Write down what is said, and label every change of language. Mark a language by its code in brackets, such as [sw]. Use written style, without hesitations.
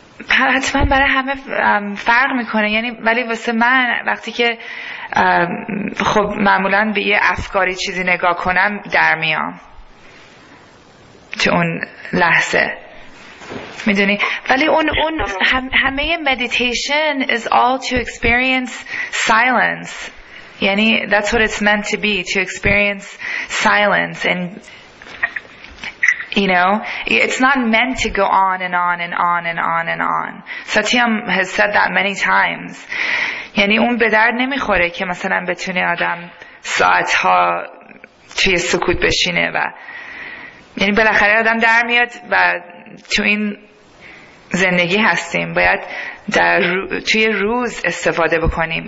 [fa] حتما برای همه فرق میکنه، یعنی ولی واسه من وقتی که خب معمولا به یه افکاری چیزی نگاه کنم در میام تو اون لحظه، میدونی، ولی اون همه مدیتیشن [en] is all to experience silence. یعنی that's what it's meant to be, to experience silence. And you know, it's not meant to go on and on and on and on and on. Satyam has said that many times. [fa] یعنی اون به درد نمیخوره که مثلا بتونه آدم ساعتها توی سکوت بشینه و یعنی بالاخره آدم در میاد و تو این زندگی هستیم، باید در توی روز استفاده بکنیم.